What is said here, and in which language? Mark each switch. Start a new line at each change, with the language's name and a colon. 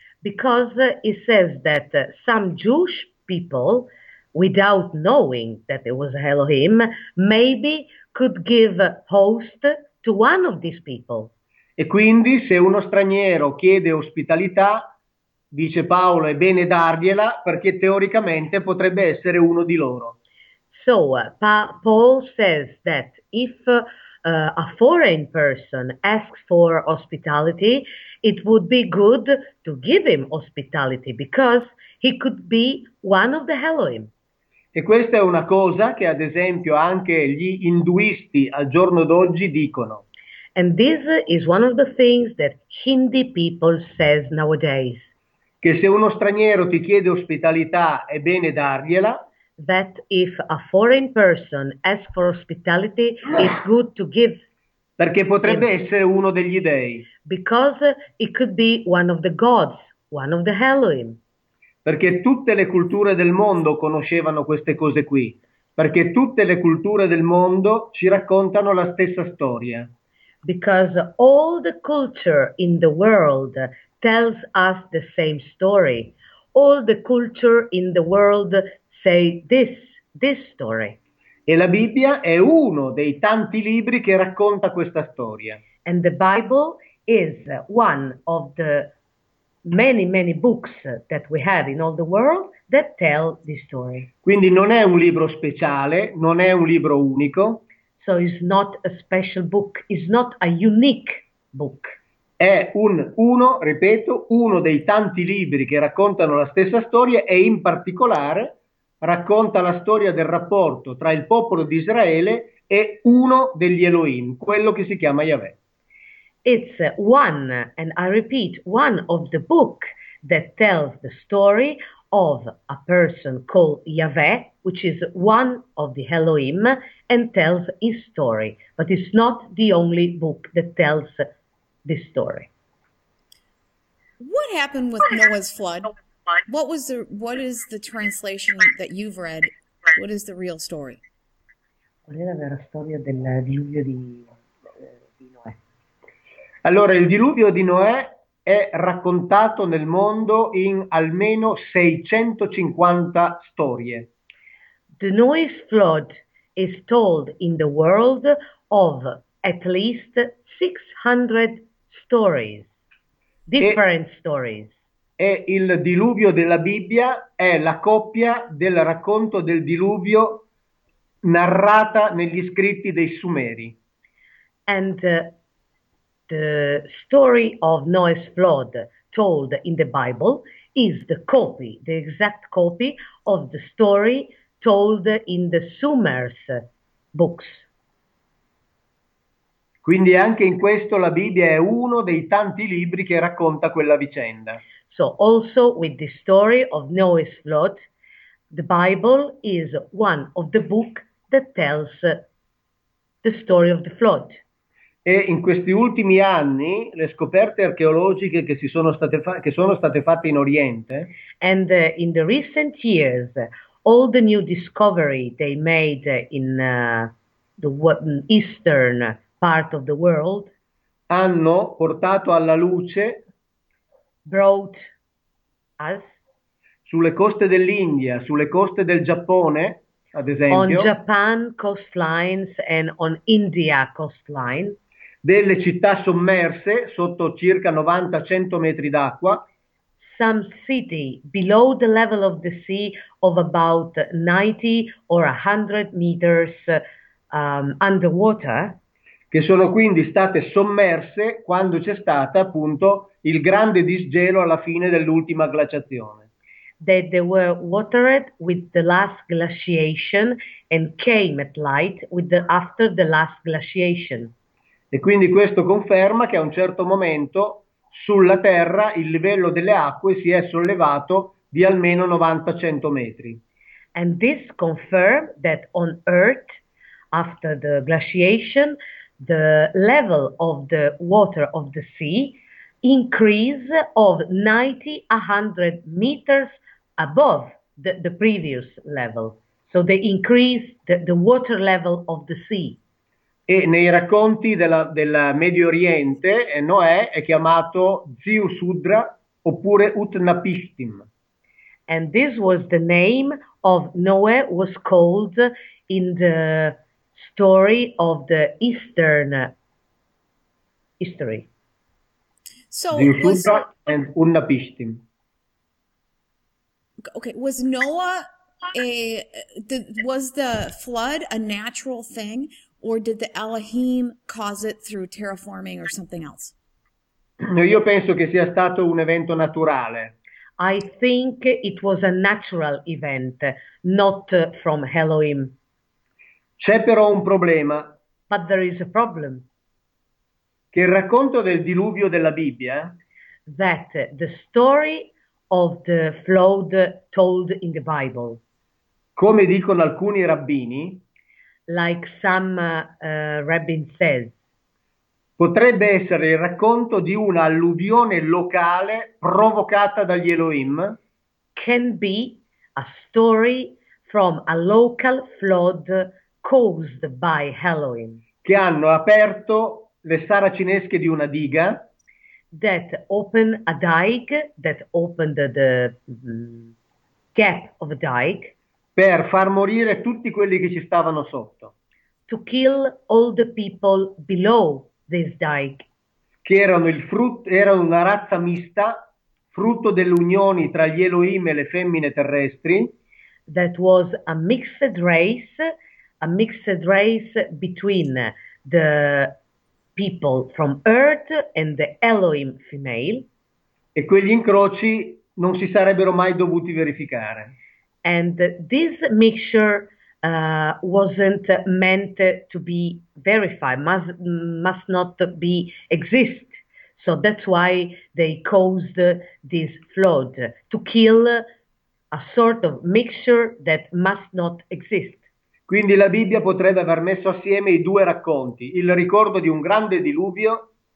English: Because he says that some Jewish people, without knowing that it was Elohim, maybe could give host to one of these people.
Italian: E quindi se uno straniero chiede ospitalità, dice Paolo, è bene dargliela perché teoricamente potrebbe essere uno di loro.
English: So, Paul says that if a foreign person asks for hospitality, it would be good to give him hospitality because he could be one of the Elohim.
Italian: E questa è una cosa che, ad esempio, anche gli induisti al giorno d'oggi dicono.
English: And this is one of the things that Hindi people says nowadays.
Italian: Che se uno straniero ti chiede ospitalità, è bene dargliela.
English: That if a foreign person asks for hospitality, it's good to give
Italian: Perché
English: him.
Italian: potrebbe essere uno degli dèi. Perché
English: Because it could be one of the gods, one of the Elohim.
Italian: tutte le culture del mondo conoscevano queste cose qui. Perché tutte le culture del mondo ci raccontano la stessa storia.
English: Because all the culture in the world tells us the same story. All the culture in the world say this story.
Italian: E la Bibbia è uno dei tanti libri che racconta questa storia.
English: And the Bible is one of the many, many books that we have in all the world that tell this story.
Italian: Quindi non è un libro speciale, non è un libro unico.
English: So it's not a special book, it's not a unique book.
Italian: È uno dei tanti libri che raccontano la stessa storia e in particolare racconta la storia del rapporto tra il popolo di Israele e uno degli Elohim, quello che si chiama Yahweh.
English: It's one, and I repeat, one of the book that tells the story of a person called Yahweh, which is one of the Elohim, and tells his story. But it's not the only book that tells this story. What happened with Noah's flood? What is the translation that you've read? What is the real story?
Italian: Qual è la vera storia del diluvio di Noè? Allora, il diluvio di Noè è raccontato nel mondo in almeno 650 storie.
English: The Noah's flood is told in the world of at least 600 stories,
Italian: E
English: different stories.
Italian: il diluvio della Bibbia è la copia del racconto del diluvio narrata negli scritti dei Sumeri.
English: And the story of Noah's flood told in the Bible is the copy, the exact copy of the story told in the Sumer's books.
Italian: Quindi anche in questo la Bibbia è uno dei tanti libri che racconta quella vicenda.
English: So also with the story of Noah's flood, the Bible is one of the book that tells the story of the flood.
Italian: E in questi ultimi anni le scoperte archeologiche che si sono state fa che sono state fatte in Oriente.
English: And in the recent years, all the new discovery they made in the eastern part of the world
Italian: Hanno portato alla luce
English: brought us
Italian: sulle coste dell'India, sulle coste del Giappone, ad
English: on
Italian: esempio,
English: Japan coastlines and on India coastline.
Italian: delle città sommerse sotto circa 90-100 metri d'acqua.
English: Some city below the level of the sea of about 90 or 100 meters underwater.
Italian: Che sono quindi state sommerse quando c'è stato appunto il grande disgelo alla fine dell'ultima glaciazione.
English: That they were watered with the last glaciation and came at light with the, after the last glaciation.
Italian: E quindi questo conferma che a un certo momento sulla Terra il livello delle acque si è sollevato di almeno 90-100 metri.
English: And this confirmed that on Earth, after the glaciation, the level of the water of the sea increased of 90-100 meters above the previous level. So they increased the water level of the sea.
Italian: E nei racconti del Medio Oriente, Noè è chiamato Ziu Sudra oppure Utnapishtim.
English: And this was the name of Noah was called in the story of the Eastern history.
Italian: Ziu
English: So was Sudra and Utnapishtim. okay, was Noah a did, was the flood a natural thing, or did the Elohim cause it through terraforming or something else?
Italian: Io penso che sia stato un evento naturale.
English: I think it was a natural event, not from Elohim.
Italian: C'è però un problema. Che
English: But there is a problem.
Italian: il racconto del diluvio della Bibbia
English: That the story of the flood told in the Bible,
Italian: come dicono alcuni rabbini,
English: like some rabbin says,
Italian: potrebbe essere il racconto di una alluvione locale provocata dagli Elohim.
English: can be a story from a local flood caused by Elohim.
Italian: Che hanno aperto le saracinesche di una diga.
English: That opened a dike, that opened the gap of a dike,
Italian: Per far morire tutti quelli che ci stavano sotto.
English: to kill all the people below this dike.
Italian: Che erano erano una razza mista, frutto delle unioni tra gli Elohim e le femmine terrestri.
English: That was a mixed race between the people from Earth and the Elohim female,
Italian: E quegli incroci non si sarebbero mai dovuti verificare.
English: and this mixture wasn't meant to be verified, must not be exist. So that's why they caused this flood, to kill a sort of mixture that must not exist.
Italian: Quindi la Bibbia potrebbe aver messo assieme i due racconti, il ricordo di un grande diluvio.